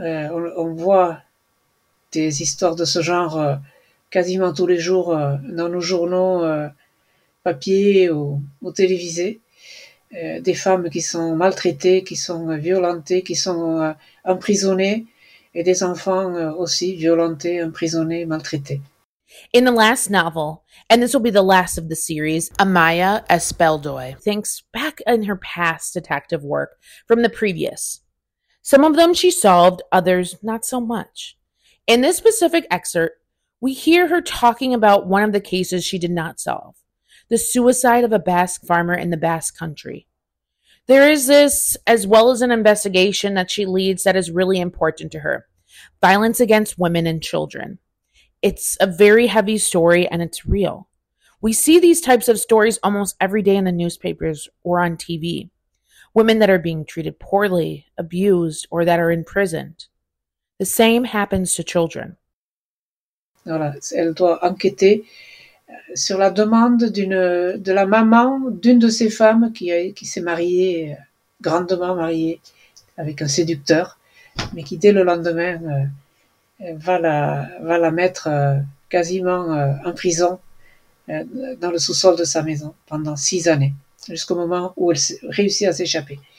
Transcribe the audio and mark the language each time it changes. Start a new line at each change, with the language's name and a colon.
French: On voit des histoires de ce genre quasiment tous les jours dans nos journaux papier ou télévisés, des femmes qui sont maltraitées, qui sont violentées, qui sont emprisonnées, et des enfants aussi violentés, emprisonnés, maltraités.
English: In the last novel, and this will be the last of the series, Amaya Speldoy thinks back in her past detective work from the previous. Some of them she solved, others not so much. In this specific excerpt, we hear her talking about one of the cases she did not solve, the suicide of a Basque farmer in the Basque country. There is this, as well as an investigation that she leads that is really important to her, violence against women and children. It's a very heavy story and it's real. We see these types of stories almost every day in the newspapers or on TV. Women that are being treated poorly, abused, or that are imprisoned. The same happens to children.
French: Voilà, elle doit enquêter sur la demande de la maman d'une de ces femmes qui s'est mariée, grandement mariée, avec un séducteur, mais qui dès le lendemain va la mettre quasiment en prison dans le sous-sol de sa maison pendant 6 années, jusqu'au moment où elle réussit à s'échapper.